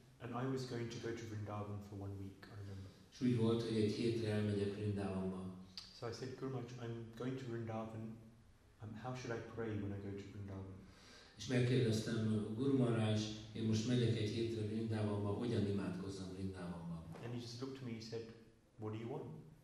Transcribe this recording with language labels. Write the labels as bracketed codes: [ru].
[en] And I was going to go to Vrindavan for 1 week. I remember. [hu] És úgy volt, hogy egy hétre elmegyek Vrindavanba. [en] So I said, Guru Maharaj, I'm going to Vrindavan. How should I pray when I go to Vrindavan? [hu] És megkérdeztem Guru Maharaj, én most megyek egy hétre Vrindavanba, hogyan imádkozzam Vrindavanba? [en] And he just looked at me, he said, what do you want?